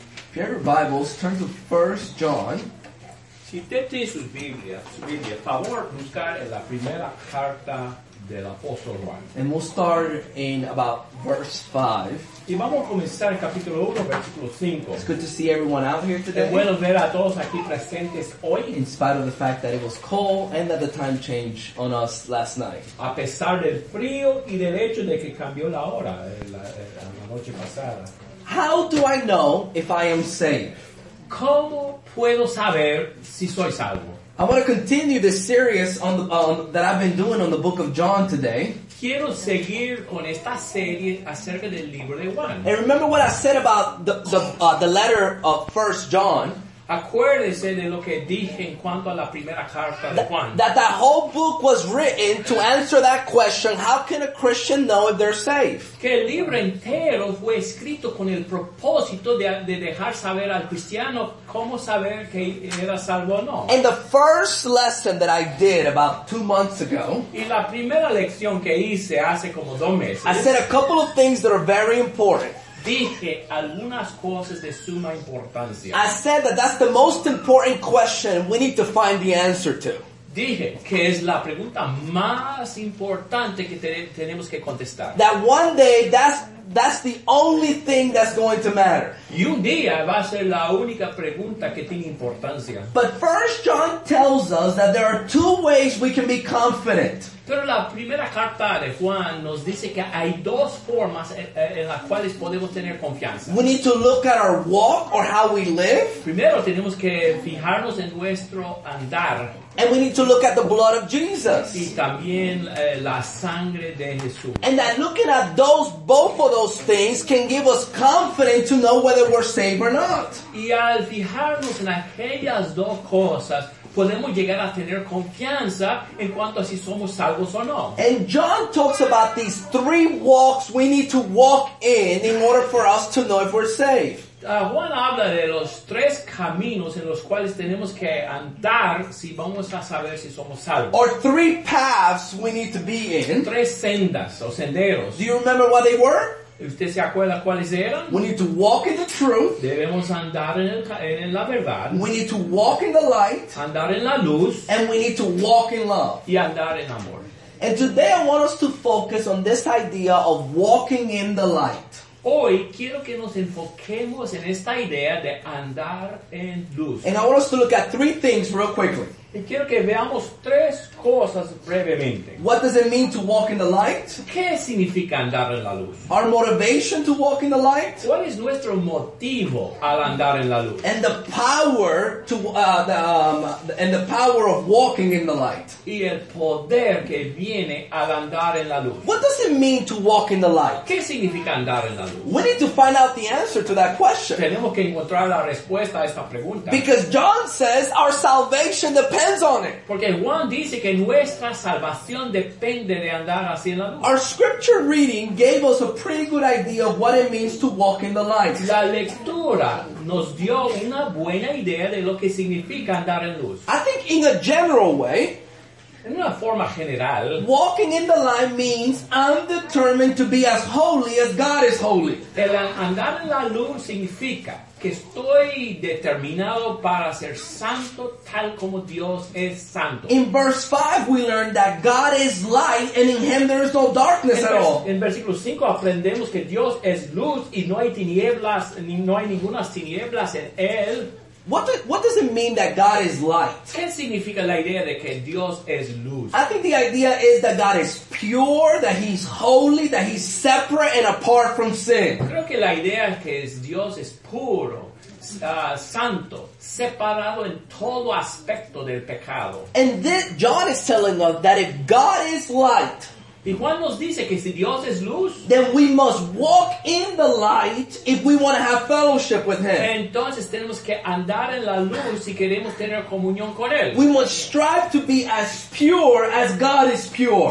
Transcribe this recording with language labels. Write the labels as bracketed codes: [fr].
[en] If you have your Bibles, turn to 1 John. [es] Si usted tiene sus Biblias, favor buscar en la primera carta del apóstol Juan. [en] And we'll start in about verse 5. [es] Y vamos a comenzar el capítulo 1, versículo 5. [en] It's good to see everyone out here today. [es] Es bueno ver a todos aquí presentes hoy. [en] In spite of the fact that it was cold and that the time changed on us last night. [es] A pesar del frío y del hecho de que cambió la hora la noche pasada. [en] How do I know if I am saved? [es] ¿Cómo puedo saber si soy salvo? [en] I want to continue this series on the, that I've been doing on the book of John today. [es] Quiero seguir con esta serie acerca del libro de Juan. [en] And remember what I said about the letter of 1 John. [es] Acuérdese de lo que dije en cuanto a la primera carta de Juan. [en] That whole book was written to answer that question, how can a Christian know if they're saved? [es] Que el libro entero fue escrito con el propósito de dejar saber al cristiano cómo saber que era salvo o no. [en] And the first lesson that I did about 2 months ago, [es] y la primera lección que hice hace como 2 meses, [en] I said a couple of things that are very important. [es] Dije algunas cosas de suma importancia. [en] I said that that's the most important question we need to find the answer to. [es] Dije que es la pregunta más importante que tenemos que contestar. [en] That one day that's the only thing that's going to matter. [es] Y un día va a ser la única pregunta que tiene importancia. [en] But 1 John tells us that there are two ways we can be confident. [es] Pero la primera carta de Juan nos dice que hay dos formas en las cuales podemos tener confianza. [en] We need to look at our walk or how we live. [es] Primero tenemos que fijarnos en nuestro andar. [en] And we need to look at the blood of Jesus. [es] Y también la sangre de Jesús. [en] And that looking at those, both of those things can give us confidence to know whether we're saved or not. [es] Y al fijarnos en aquellas dos cosas, podemos llegar a tener confianza en cuanto a si somos salvos o no. [en] And John talks about these three walks we need to walk in order for us to know if we're saved. [es] Juan habla de los tres caminos en los cuales tenemos que andar si vamos a saber si somos salvos. [en] Or three paths we need to be in. [es] Tres sendas o senderos. [en] Do you remember what they were? [es] ¿Usted se acuerda cuáles eran? [en] We need to walk in the truth. [es] Debemos andar en en la verdad. [en] We need to walk in the light. [es] Andar en la luz. [en] And we need to walk in love. [es] Y andar en amor. [en] And today I want us to focus on this idea of walking in the light. [es] Hoy quiero que nos enfoquemos en esta idea de andar en luz. [en] And I want us to look at three things real quickly. [es] Y quiero que veamos tres cosas brevemente. [en] What does it mean to walk in the light? [es] ¿Qué significa andar en la luz? [en] Our motivation to walk in the light. [es] ¿Cuál es nuestro motivo al andar en la luz? [en] And the power to and the power of walking in the light. [es] Y el poder que viene al andar en la luz. [en] What does it mean to walk in the light? [es] ¿Qué significa andar en la luz? [en] We need to find out the answer to that question. [es] Tenemos que encontrar la respuesta a esta pregunta. [en] Because John says our salvation depends on it. [es] Porque Juan dice que nuestra salvación depende de andar así en la luz. [en] Our scripture reading gave us a pretty good idea of what it means to walk in the light. [es] La lectura nos dio una buena idea de lo que significa andar en luz. [en] I think in a general way, [es] en una forma general, [en] walking in the light means I'm determined to be as holy as God is holy. [es] El andar en la luz significa que estoy determinado para ser santo tal como Dios es santo. [en] In verse 5 we learn that God is light and in him there is no darkness at all. [es] En versículo 5 aprendemos que Dios es luz y no hay tinieblas, no hay ninguna tinieblas en él. [en] What does it mean that God is light? [es] ¿Qué significa la idea de que Dios es luz? [en] I think the idea is that God is pure, that he's holy, that he's separate and apart from sin. [es] Creo que la idea es que Dios es puro, santo, separado en todo aspecto del pecado. [en] And this, John is telling us that if God is light, [es] y Juan nos dice que si Dios es luz, [en] then we must walk in the light if we want to have fellowship with him. [es] Entonces tenemos que andar en la luz si queremos tener comunión con él. [en] We must strive to be as pure as God is pure.